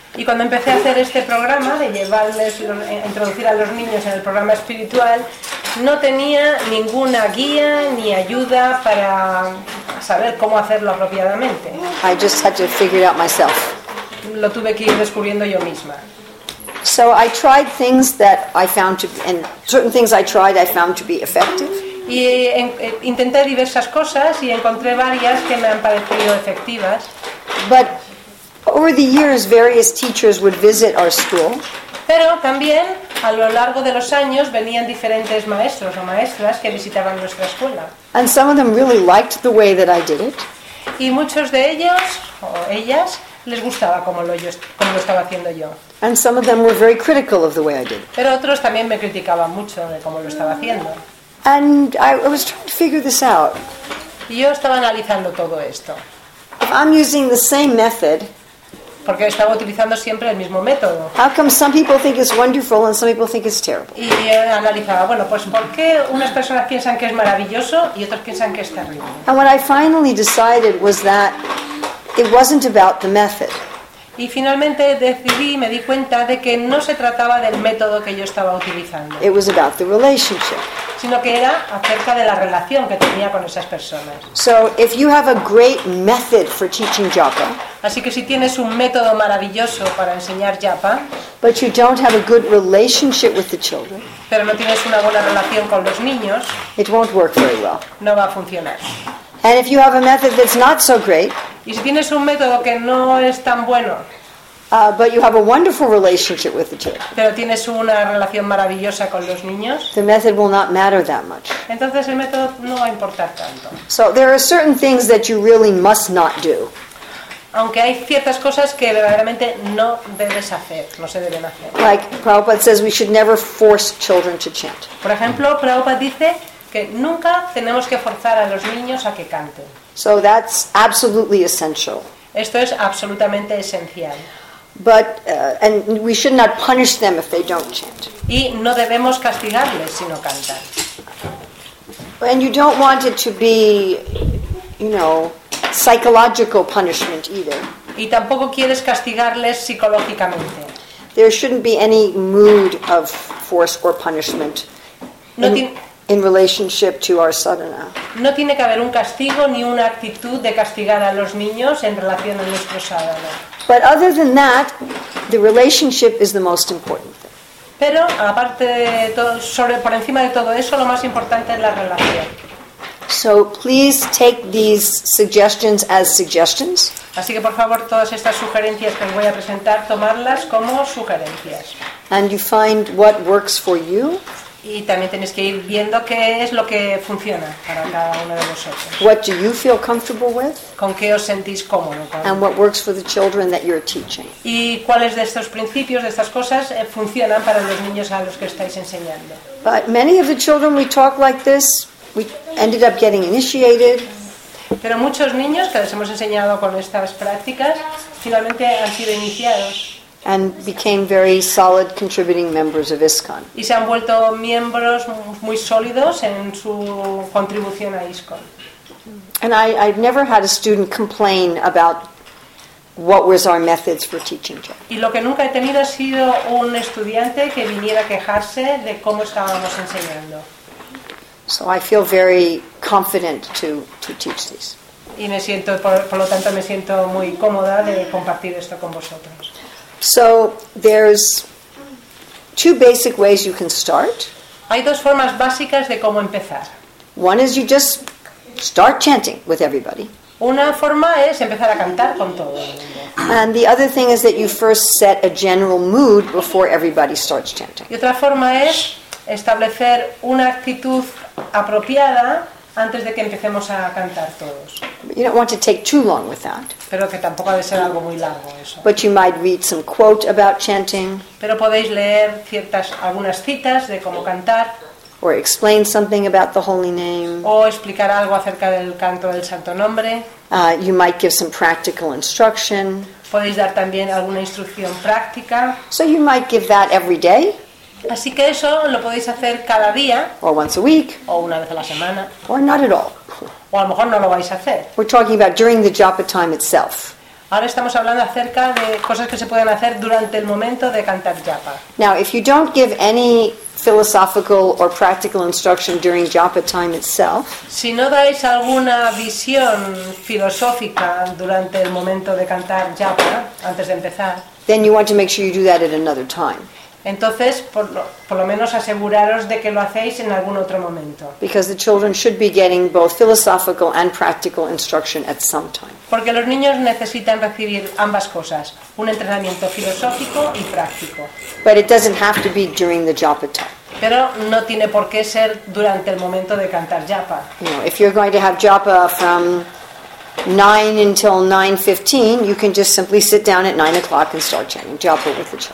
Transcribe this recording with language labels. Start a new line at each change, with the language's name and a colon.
Spanish: Y cuando empecé a hacer este programa de llevarles, introducir a los niños en el programa espiritual, no tenía ninguna guía ni ayuda para saber cómo hacerlo apropiadamente.
English: I just had to figure it out myself.
Spanish: Lo tuve que ir descubriendo yo misma.
English: So I tried things that I found to be, and certain things I tried I found to be effective.
Spanish: Y intenté diversas cosas y encontré varias que me han parecido efectivas.
English: But over the years, various teachers would visit our school.
Spanish: Pero también a lo largo de los años venían diferentes maestros o maestras que visitaban nuestra escuela.
English: And some of them really liked the way that I did it.
Spanish: Y muchos de ellos o ellas les gustaba como lo estaba haciendo yo.
English: And some of them were very critical of the way I did.
Spanish: Pero otros también me criticaban mucho de cómo lo estaba haciendo.
English: And I was trying to figure this out.
Spanish: Y yo estaba analizando todo esto.
English: If I'm using the same method,
Spanish: porque estaba utilizando siempre el mismo método.
English: How come some people think it's wonderful and some people think it's terrible?
Spanish: Y analizaba, bueno, pues ¿por qué unas personas piensan que es maravilloso y otras piensan que es terrible?
English: And what I finally decided was that it wasn't about the method.
Spanish: Y finalmente decidí, me di cuenta de que no se trataba del método que yo estaba utilizando.
English: It was about the relationship.
Spanish: Sino que era acerca de la relación que tenía con esas personas.
English: So if you have a great method for teaching japa,
Spanish: así que si tienes un método maravilloso para enseñar japa,
English: but you don't have a good relationship with the children,
Spanish: pero no tienes una buena relación con los niños,
English: it won't work very well.
Spanish: No va a funcionar.
English: And if you have a method that's not so great,
Spanish: y si tienes un método que no es tan bueno,
English: but you have a wonderful relationship with the children,
Spanish: pero tienes una relación maravillosa con los niños,
English: the method will not matter that much.
Spanish: Entonces el método no va a importar tanto.
English: So there are certain things that you really must not do.
Spanish: Aunque hay ciertas cosas que verdaderamente no debes hacer, no se deben hacer.
English: Like Prabhupada says, we should never force children to chant.
Spanish: Por ejemplo, Prabhupada dice que nunca tenemos que forzar a los niños a que canten.
English: So that's absolutely essential.
Spanish: Esto es absolutamente esencial.
English: But and we should not punish them if they don't chant.
Spanish: Y no debemos castigarles si no cantan.
English: And you don't want it to be, you know, psychological punishment either.
Spanish: Y tampoco quieres castigarles psicológicamente.
English: There shouldn't be any mood of force or punishment.
Spanish: No
English: in relationship to our sadhana.
Spanish: No tiene que haber un castigo ni una actitud de castigar a los niños en relación a nuestro sadhana.
English: But other than that, the relationship is the most important thing.
Spanish: Pero aparte de todo, sobre por encima de todo eso, lo más importante es la relación.
English: So please take these suggestions as suggestions.
Spanish: Así que por favor, todas estas sugerencias que les voy a presentar, tomarlas como sugerencias.
English: And you find what works for you.
Spanish: Y también tenéis que ir viendo qué es lo que funciona para cada uno de vosotros.
English: What do you feel comfortable with?
Spanish: ¿Con qué os sentís cómodo?
English: And what works for the children that you're teaching.
Spanish: ¿Y cuáles de estos principios, de estas cosas, funcionan para los niños a los que estáis enseñando?
English: But many of the children we talk like this, we ended up getting initiated.
Spanish: Pero muchos niños que les hemos enseñado con estas prácticas, finalmente han sido iniciados.
English: And became very solid contributing members of ISKCON.
Spanish: Y se han vuelto miembros muy sólidos en su contribución a ISKCON.
English: And I've never had a student complain about what was our methods for teaching Japa.
Spanish: Y lo que nunca he tenido ha sido un estudiante que viniera a quejarse de cómo estábamos enseñando.
English: So I feel very confident to teach these.
Spanish: Y me siento, por lo tanto, me siento muy cómoda de compartir esto con vosotros.
English: So there's two basic ways you can start.
Spanish: Hay dos formas básicas de cómo empezar.
English: One is you just start chanting with everybody.
Spanish: Una forma es empezar a cantar con todo el mundo.
English: And the other thing is that you first set a general mood before everybody starts chanting.
Spanish: Y otra forma es establecer una actitud apropiada antes de que empecemos a cantar todos.
English: You don't want to take too long with that.
Spanish: Pero que tampoco debe ser algo muy largo eso.
English: But you might read some quote about chanting.
Spanish: Pero podéis leer ciertas algunas citas de cómo cantar.
English: Or explain something about the holy name.
Spanish: O explicar algo acerca del canto del santo nombre.
English: You might give some practical instruction.
Spanish: Podéis dar también alguna instrucción práctica.
English: So you might give that every day.
Spanish: Así que eso lo podéis hacer cada día.
English: Or once a week.
Spanish: O una vez a la semana.
English: Or not at all.
Spanish: O a lo mejor no lo vais a hacer.
English: We're talking about during the japa time itself.
Spanish: Ahora estamos hablando acerca de cosas que se pueden hacer durante el momento de cantar japa.
English: Now, if you don't give any philosophical or practical instruction during japa time itself.
Spanish: Si no dais alguna visión filosófica durante el momento de cantar japa antes de empezar.
English: Then you want to make sure you do that at another time.
Spanish: Entonces, por lo menos aseguraros de que lo hacéis en algún otro momento.
English: Because the children should be getting both philosophical and practical instruction at some time.
Spanish: Porque los niños necesitan recibir ambas cosas, un entrenamiento filosófico y práctico.
English: But it doesn't have to be during the japa time.
Spanish: Pero no tiene por qué ser durante el momento de cantar japa.
English: You know, if you're going to have japa from 9 until 9:15, you can just simply sit down at 9 o'clock and start chanting japa with the children.